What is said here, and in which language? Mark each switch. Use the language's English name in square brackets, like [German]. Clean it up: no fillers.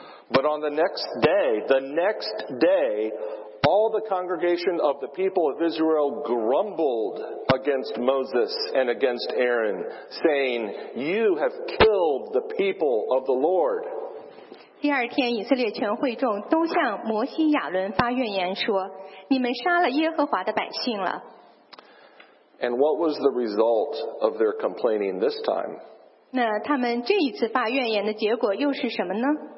[English] But on the next day, all the congregation of the people of Israel grumbled against Moses and against Aaron, saying, "You have killed the people of the Lord." [Chinese] 第二天,以色列全会众都向摩西亚伦发怨言说,你们杀了耶和华的百姓了。 [English] And what was the result of their complaining this time? [Chinese] 那他们这一次发怨言的结果又是什么呢?